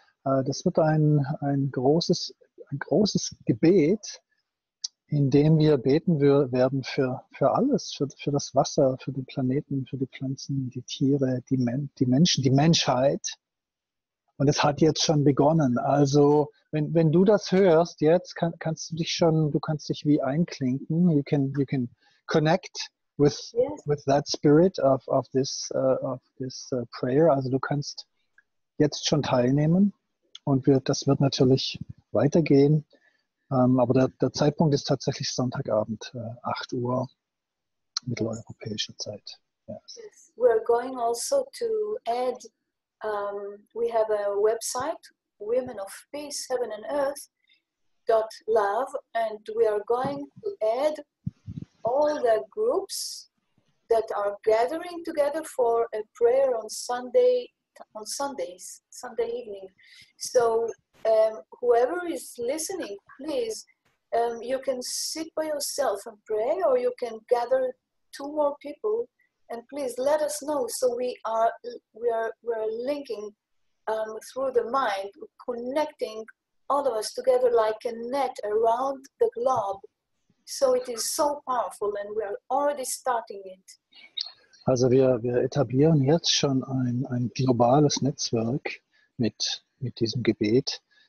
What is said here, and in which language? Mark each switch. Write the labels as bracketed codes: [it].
[de] Das wird ein großes Gebet, in dem wir beten werden für alles, für das Wasser, für den Planeten, für die Pflanzen, die Tiere, die Menschen, die Menschheit. Und es hat jetzt schon begonnen. Also, wenn du das hörst jetzt, kannst du dich wie einklinken. [en] You can connect with, yes, with that spirit of this prayer. [de] Also, du kannst jetzt schon teilnehmen. Und das wird natürlich weitergehen. Aber der Zeitpunkt ist tatsächlich Sonntagabend, 8 Uhr, mitteleuropäische Zeit. [en] Yes. We're going also to add, we have a website, Women of Peace, Heaven and Earth, .love, and we are going to add all the groups that are gathering together for a prayer on Sundays, Sunday evening. So whoever is listening, please, you can sit by yourself and pray, or you can gather two more people. And please let us know, so we are linking through the mind, connecting all of us together like a net around the globe. So it is so powerful, and we are already starting it. [de] Also wir etablieren jetzt schon ein globales Netzwerk mit diesem Gebet.